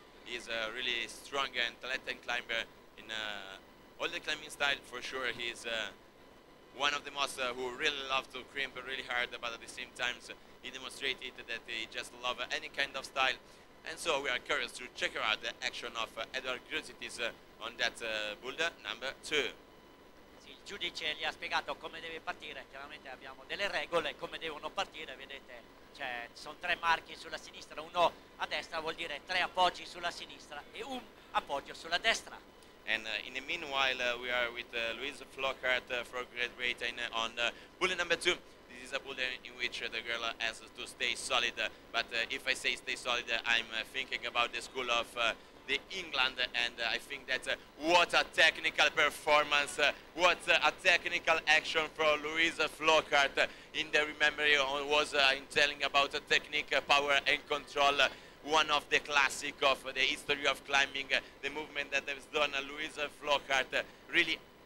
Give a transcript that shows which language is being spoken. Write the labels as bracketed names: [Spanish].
[English] He's a really strong and talented climber in all the climbing style, for sure. He's one of the most who really love to climb really hard, but at the same time he demonstrated that he just love any kind of style. And so we are curious to check out the action of Edward Grzytis on that boulder number 2. [Italian] Sì, il giudice gli ha spiegato come deve partire, chiaramente abbiamo delle regole come devono partire, vedete, cioè sono tre marchi sulla sinistra, uno a destra vuol dire tre appoggi sulla sinistra e un appoggio sulla destra. [English] And in the meanwhile we are with Louise Flockhart for Great Britain on boulder number 2. This is a boulder in which the girl has to stay solid, but if I say stay solid, I'm thinking about the school of the England, and I think that what a technical performance, what a technical action for Louise Flockhart in the memory was in telling about technique, power and control, one of the classic of the history of climbing, the movement that has done Louise Flockhart, really